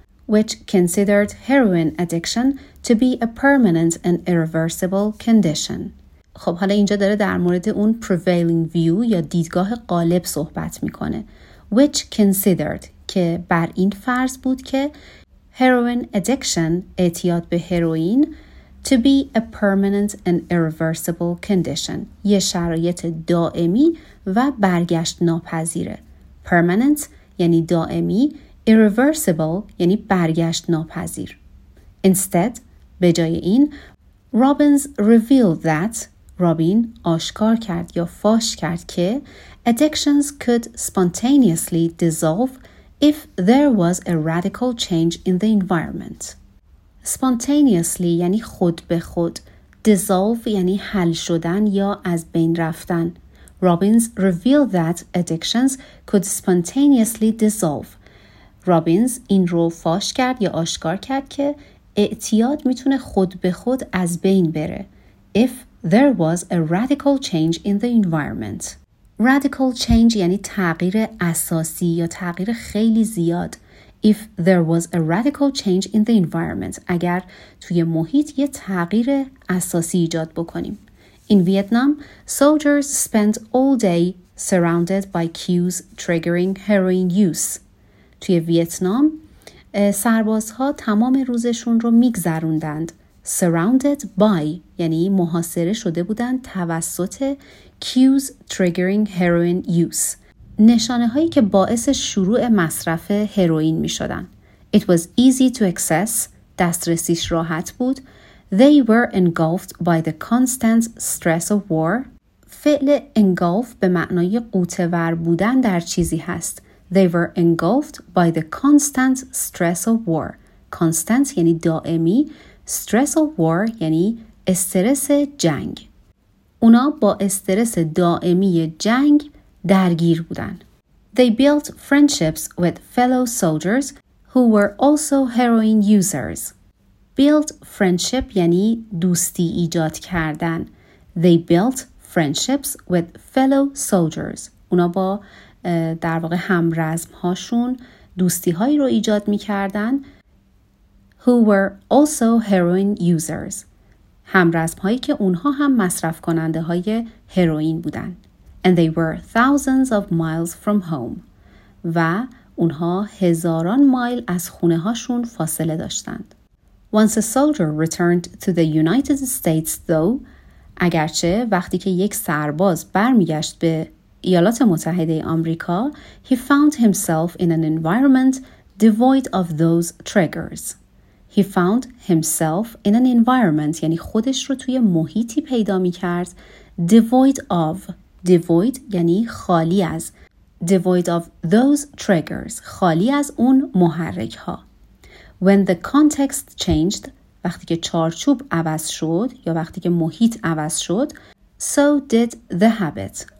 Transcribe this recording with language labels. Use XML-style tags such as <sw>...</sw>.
<en>Which considered heroin addiction to be a permanent and irreversible condition.</en> <fa>خب حالا اینجا داره در مورد اون</fa> <en>prevailing view</en> <fa>یا دیدگاه غالب صحبت میکنه.</fa> <en>Which considered</en> <fa>که بر این فرض بود که</fa> <en>heroin addiction</en> <fa>اعتیاد به هروئین</fa> <en>to be a permanent and irreversible condition</en> <fa>یه شرایط دائمی و برگشت ناپذیره. Permanent یعنی دائمی. Irreversible یعنی برگشت ناپذیر.</fa> <en>Instead,</en> <fa>به جای این,</fa> <en>Robbins revealed that,</en> <fa>رابین آشکار کرد یا فاش کرد که</fa> <en>addictions could spontaneously dissolve if there was a radical change in the environment.</en> <fa>Spontaneously یعنی خود به خود. Dissolve یعنی حل شدن یا از بین رفتن.</fa> <en>Robbins revealed that addictions could spontaneously dissolve.</en> <fa>رابینز این رو فاش کرد یا آشکار کرد که اعتیاد میتونه خود به خود از بین بره.</fa> <en>If there was a radical change in the environment.</en> <fa>Radical change یعنی تغییر اساسی یا تغییر خیلی زیاد.</fa> <en>If there was a radical change in the environment.</en> <fa>اگر توی محیط یه تغییر اساسی ایجاد بکنیم.</fa> <en>In Vietnam, soldiers spent all day surrounded by cues triggering heroin use.</en> <fa>توی ویتنام سربازها تمام روزشون رو میگذروندند.</fa> <en>Surrounded by</en> <fa>یعنی محاصره شده بودند توسط</fa> <en>cues triggering heroin use.</en> <fa>نشانه هایی که باعث شروع مصرف هروئین میشدند.</fa> <en>It was easy to access.</en> <fa>دسترسیش راحت بود.</fa> <en>They were engulfed by the constant stress of war.</en> <fa>فعل engulf به معنای غوطه‌ور بودن در چیزی هست.</fa> <en>They were engulfed by the constant stress of war.</en> <fa>Constant یعنی دائمی.</fa> <en>Stress of war</en> <fa>یعنی استرس جنگ. اونا با استرس دائمی جنگ درگیر بودن.</fa> <en>They built friendships with fellow soldiers who were also heroin users. Built friendship</en> <fa>یعنی دوستی ایجاد کردن.</fa> <en>They built friendships with fellow soldiers.</en> <fa>اونا با در واقع هم رزم هاشون دوستی هایی رو ایجاد می کردن</fa> <en>who were also heroin users.</en> <fa>هم رزم هایی که اونها هم مصرف کننده های هروئین بودن.</fa> <en>And they were thousands of miles from home.</en> <fa>و اونها هزاران مایل از خونه هاشون فاصله داشتند.</fa> <en>Once a soldier returned to the United States though,</en> <fa>اگرچه وقتی که یک سرباز برمیگشت به ایالات متحده آمریکا,</fa> <en>he found himself in an environment devoid of those triggers. He found himself in an environment,</en> <fa>یعنی خودش رو توی محیطی پیدا می کرد, devoid of, devoid یعنی خالی از,</fa> <en>devoid of those triggers,</en> <fa>خالی از اون محرک ها.</fa> <en>When the context changed,</en> <fa>وقتی که چارچوب عوض شد, یا وقتی که محیط عوض شد,</fa> <en>so did the habit.</en>